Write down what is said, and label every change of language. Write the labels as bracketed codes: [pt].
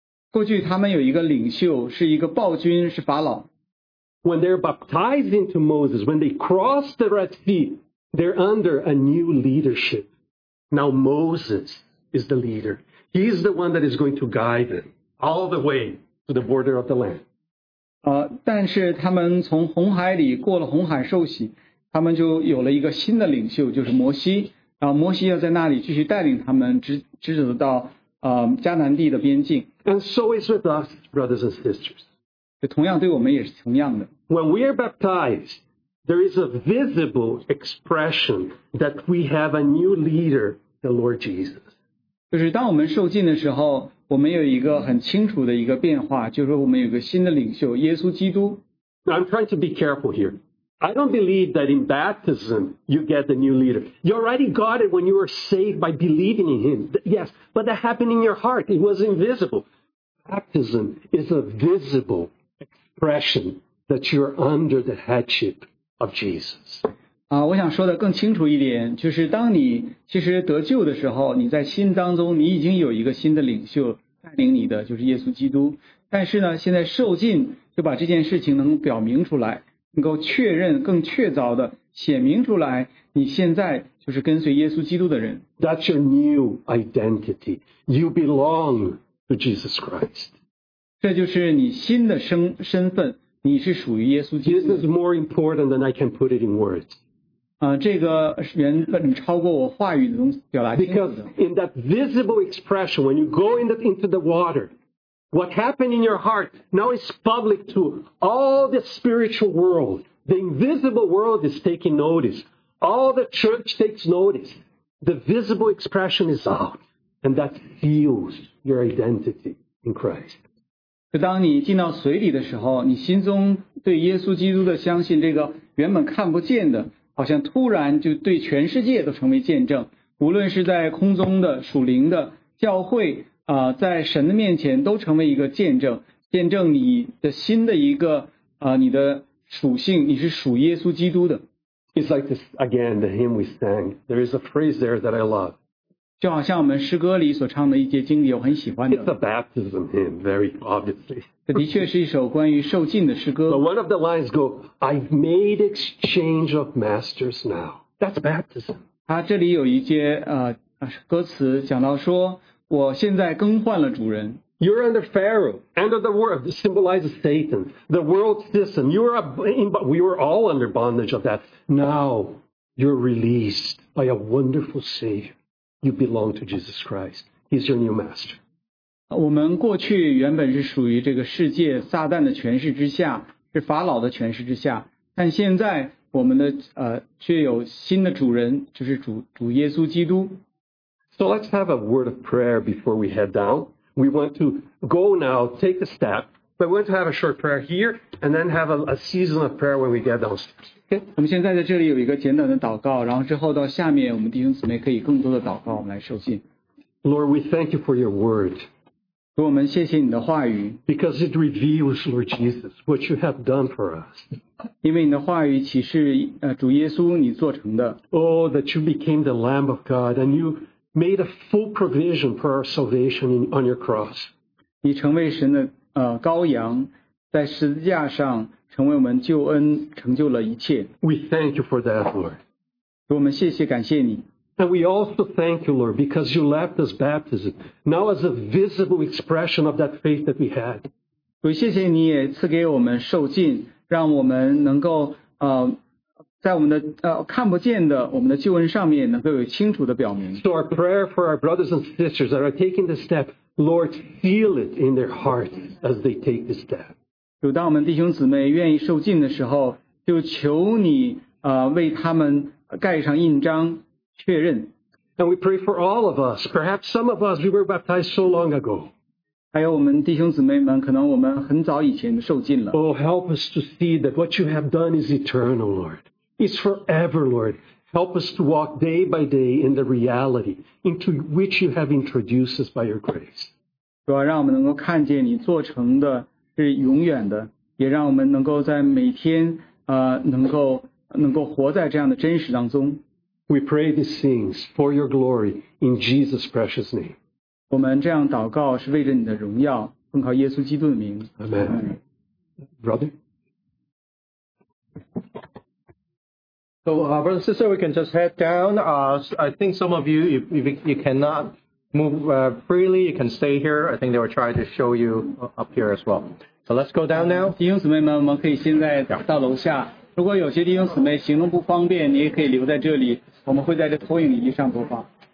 [zh] 过去他们有一个领袖，是一个暴君，是法老。 [en] When they're baptized into Moses, when they cross the Red Sea, they're under a new leadership. Now Moses is the leader. He's the one that is going to guide them all the way to the border of the land. [zh] 但是他们从红海里过了红海受洗，他们就有了一个新的领袖，就是摩西。然后摩西要在那里继续带领他们直走到迦南地的边境。 [en] And so is with us, brothers and sisters. [zh] 同样对我们也是同样的。 [en] When we are baptized, there is a visible expression that we have a new leader, the Lord Jesus. [zh] 就是当我们受浸的时候，我们有一个很清楚的一个变化，就是我们有个新的领袖，耶稣基督。 [en] I'm trying to be careful here. I don't believe that in baptism you get the new leader. You already got it when you were saved by believing in him. Yes, but that happened in your heart. It was invisible. Baptism is a visible. Expression that you're under the headship of Jesus. [zh] 我想说的更清楚一点，就是当你其实得救的时候，你在心当中你已经有一个新的领袖带领你的，就是耶稣基督。但是呢，现在受浸就把这件事情能表明出来，能够确认更确凿的显明出来，你现在就是跟随耶稣基督的人。 [en] That's your new identity. You belong to Jesus Christ. [zh] 这就是你新的身份，你是属于耶稣基督。 [en] This is more important than I can put it in words. [zh] 这个原本超过我话语能表达清楚的。 [en] Because in that visible expression, when you go into the water, what happened in your heart now is public to all the spiritual world. The invisible world is taking notice. All the church takes notice. The visible expression is out, and that seals your identity in Christ. [zh] 当你进到水里的时候，你心中对耶稣基督的相信，这个原本看不见的，好像突然就对全世界都成为见证。无论是在空中的属灵的教会在神的面前都成为一个见证，见证你的新的一个你的属性，你是属耶稣基督的。 [en] It's like this again, the hymn we sang. There is a phrase there that I love. [zh] 就好像我们诗歌里所唱的一节经历，我很喜欢的。 [en] It's a baptism hymn, very obviously. [zh] 这的确是一首关于受浸的诗歌。 [en] But one of the lines go, I've made exchange of masters now. That's baptism. [zh] 它这里有一节歌词讲到说，我现在更换了主人。 [en] You're under Pharaoh, under the world, this symbolizes Satan, the world system. You are, we were all under bondage of that. Now, you're released by a wonderful Savior. You belong to Jesus Christ. He's your new master. [zh] 我们过去原本是属于这个世界撒旦的权势之下，是法老的权势之下，但现在我们的却有新的主人，就是主耶稣基督。 [en] So let's have a word of prayer before we head down. We want to go now, take a step, but we want to have a short prayer here, and then have a season of prayer when we get downstairs. Okay? [zh] 我们现在在这里有一个简短的祷告，然后之后到下面我们弟兄姊妹可以更多的祷告，我们来受浸。 [en] Lord, we thank you for your word. [zh] 主，我们谢谢你的话语。 [en] Because it reveals, Lord Jesus, what you have done for us. [zh] 因为你的话语启示主耶稣你做成的。 [en] Oh, that you became the Lamb of God, and you... made a full provision for our salvation on your cross. [zh] 你成为神的羔羊，在十字架上成为我们救恩，成就了一切。 [en] We thank you for that, Lord. [zh] 主，我们谢谢，感谢你。 [en] And we also thank you, Lord, because you left us baptism, now as a visible expression of that faith that we had. [zh] 主，谢谢你也赐给我们受浸，让我们能够在我们的看不见的我们的救恩上面能够有清楚的表明。 [en] So our prayer for our brothers and sisters that are taking this step, Lord, seal it in their hearts as they take this step. [zh] 主，当我们弟兄姊妹愿意受浸的时候，就求你为他们盖上印章，确认。 [en] And we pray for all of us. Perhaps some of us we were baptized so long ago. [zh] 还有我们弟兄姊妹们，可能我们很早以前受浸了。 [en] Oh, help us to see that what you have done is eternal, Lord. It's forever, Lord. Help us to walk day by day in the reality into which you have introduced us by your grace. [zh] 主啊，让我们能够看见你做成的是永远的，也让我们能够在每天能够活在这样的真实当中。 [en] We pray these things for your glory in Jesus' precious name. [zh] 我们这样祷告是为着你的荣耀，奉靠耶稣基督的名。 [en] Amen. Brother. So, brother and sister, we can just head down. I think some of you, if you cannot move freely, you can stay here. I think they were trying to show you up here as well. So let's go down now. [zh] 弟兄姊妹们，我们可以现在到楼下。如果有些弟兄姊妹行动不方便，你也可以留在这里。我们会在这投影仪上播放。